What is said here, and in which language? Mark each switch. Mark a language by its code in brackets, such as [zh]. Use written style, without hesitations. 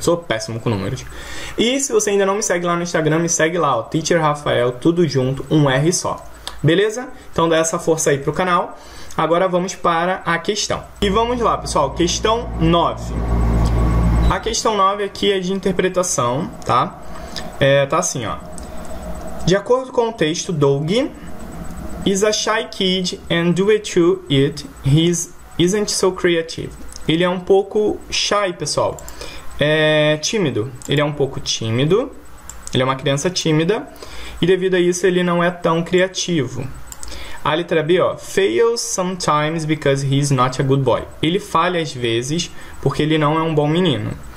[pt] Sou péssimo com números. E se você ainda não me segue lá no Instagram, me segue lá, ó, Teacher Rafael, tudo junto, um R só. Beleza? Então dá essa força aí para o canal. Agora vamos para a questão. E vamos lá, pessoal. Questão 9. A questão 9 aqui é de interpretação, tá? Tá assim, ó. De acordo com o texto, [en] Doug is a shy kid and due to it, he isn't so creative. [pt] Ele é um pouco shy, pessoal. Tímido. Ele é um pouco tímido. Ele é uma criança tímida. E devido a isso, ele não é tão criativo. A letra B, ó. [en] Fails sometimes because he's not a good boy. [pt] Ele falha às vezes porque ele não é um bom menino.